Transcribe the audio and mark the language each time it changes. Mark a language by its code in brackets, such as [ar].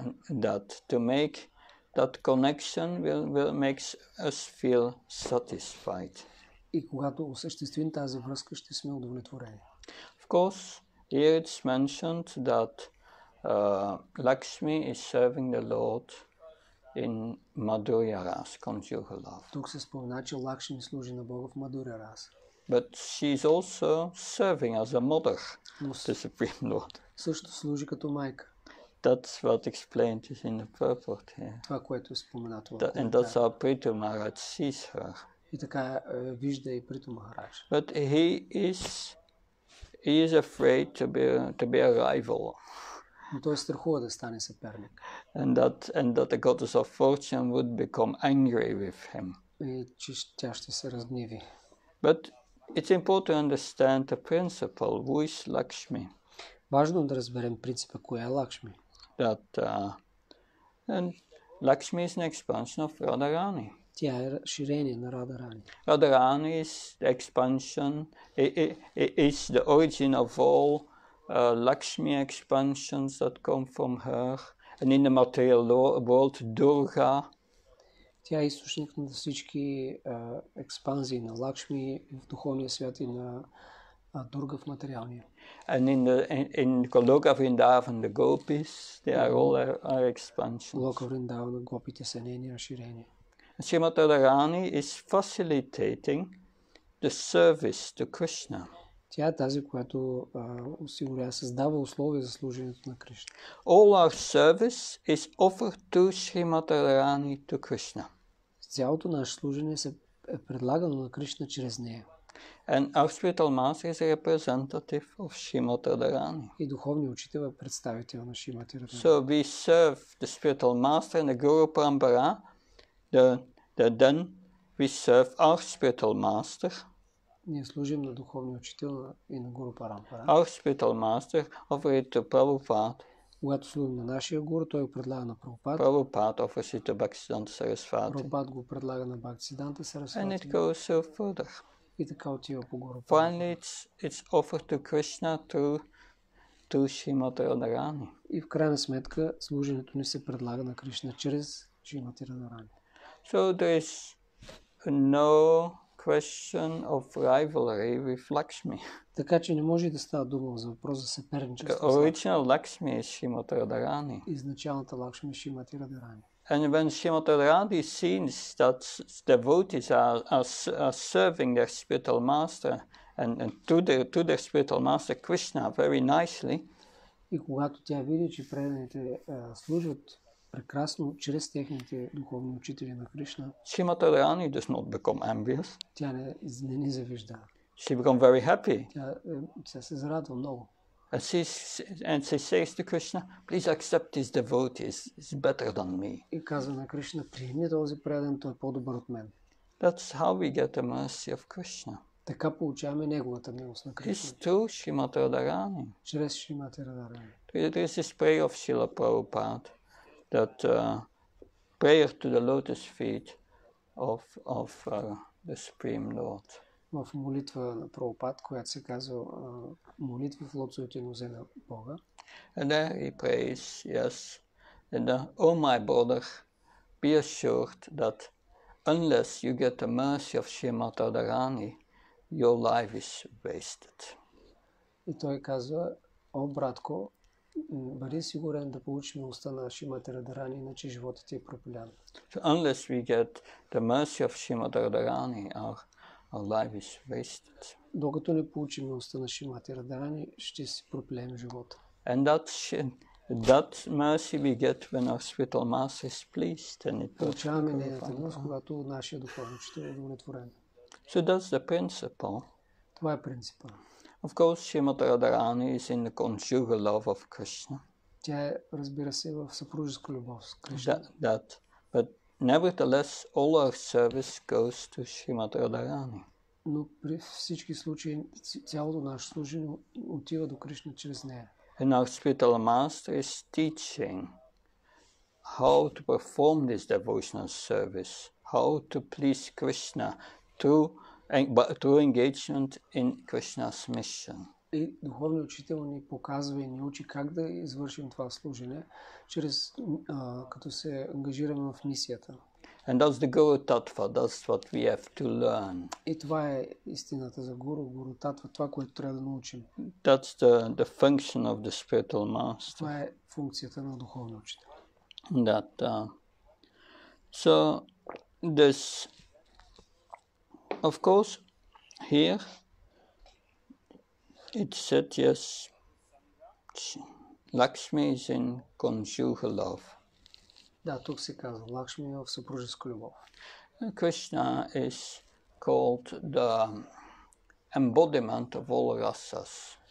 [en] That to make that connection will makes us feel satisfied. [bg] И когато осъществим тази връзка, ще сме удовлетворени. [en] Of course, here it's mentioned that Lakshmi is serving the Lord in Madhurya Ras, conjugal love. [bg] Тук се спомена, че Лакшми служи на Бога в Мадурия Раса. [en] But she's also serving as a mother, the Supreme Lord. [bg] Също служи като майка. [en] That's what explained is in the purport here. [bg] Това, което е споменато. [en] And that's how Prithu Maharaj sees her. [bg] И така вижда и Прито Махарадж. [en] But he is afraid to be a rival. [bg] Но той страхува да стане съперник. [en] And that the goddess of fortune would become angry with him. [bg] И че тя ще се разгневи. [en] But it's important to understand the principle, who is Lakshmi. [bg] Важно да разберем принципа, коя е Лакшми. [en] And Lakshmi is an expansion of Radharani. [bg] Тя е разширение на Радарани. [en] Радарани is the expansion, is the origin of all Lakshmi expansions that come from her. And in the material world, Durga. [bg] Тя е източник на всички експанзии на Лакшми в духовния свят и на Дурга в материалния. [en] And in Loka Vrindavan, the gopis, they are all our expansions. [bg] Loka Vrindavan, гопите са нейни разширения. [en] Srimati Radharani is facilitating the service to Krishna. [bg] Тя е тази, която осигурява, създава условия за служението на Кришна. [en] All our service is offered to Srimati Radharani to Krishna. [bg] Цялото наше служение се е предлагано на Кришна чрез нея. [en] And our spiritual master is representative of Srimati Radharani. [bg] И духовният учител е представител на Srimati Radharani. [en] So we serve the spiritual master and the Guru Parampara. Then we serve our spiritual master. [bg] Ние служим на духовния учител и на Гуру Парампара. [en] Our spiritual master offers it to Prabhupada. [bg] Когато служим на нашия гуру, той го предлага на Прабхупад. [en] Прабхупад offers it to Бхактисиддханта Сарасвати. [bg] Прабхупад го предлага на Бхактисиддханта Сарасвати. [en] And it goes so further. [bg] И така отива по Гуру Парампара. [en] Finally, it's offered to Krishna through Srimati Radharani. [bg] И в крайна сметка служението ни се предлага на Кришна чрез [en] So there is no question of rivalry with Lakshmi. [bg] Така че не може да става дума за въпрос за съперничество. [en] Original Lakshmi is Srimati Radharani. [bg] Изначалната Лакшми е Srimati Radharani. [en] And when Srimati Radharani sees that devotees are serving their spiritual master and to their spiritual master Krishna very nicely. [bg] И когато тя види, че преданите служат прекрасно чрез техните духовни учители на Кришна. [en] Srimati Radharani does not become envious. [bg] Тя не ни завижда. [en] She become very happy. [bg] Тя се зарадва много. [en] And she says to Krishna, please accept this devotee, he's better than me. [bg] И казва на Кришна, приеми този предан, той е по-добър от мен. [en] That's how we get the mercy of Krishna. [bg] Така получаваме неговата милост на Кришна. [en] It's through Srimati Radharani. [bg] Чрез Srimati Radharani. [en] There is this prayer of Srila Prabhupada. That prayer to the lotus feet of the Supreme Lord. [bg] В молитва на Прабхупад, която се казва молитва в лотосовите нозе на Бога. [en] And there he prays, yes. And oh my brother, be assured that unless you get the mercy of Srimati Radharani, your life is wasted. [bg] И той казва, о братко, бъди сигурен да получиш милостта на Шримати Радарани, иначе животът ти е пропилян. [en] So unless we get the mercy of Srimati Radharani, our life is wasted. [bg] Докато не получим милостта на Шримати Радарани, ще си пропилим живота. [en] And that mercy we get when our spiritual master is pleased and it [bg] получаваме нейната милост, когато нашия духовен учител е удовлетворен. [en] So that's the principle. [bg] Това е принципа. [en] Of course, Srimati Radharani is in the conjugal love of Krishna. [bg] Тя е, разбира се, в съпружеска любов с Кришна. [en] That. But nevertheless, all our service goes to Srimati Radharani. [bg] Но при всички случаи, цялото наше служение отива до Кришна чрез нея. [en] And our spiritual master is teaching how to perform this devotional service, how to please Krishna through engagement in Krishna's mission. [bg] И духовният учител ни показва и ни учи как да извършим това служение чрез като се ангажираме в мисията. [en] And that's the Guru Tattva, that's what we have to learn. [bg] И това е истината за Guru Tattva, това което трябва да научим. [en] That's the function of the spiritual master. [bg] Това е функцията на духовния учител. [en] That So this, of course, here it said yes, Lakshmi is in conjugal love. [bg] Да, тук се казва Лакшми в съпружеска любов. [en] Krishna is called the embodiment of all rasas.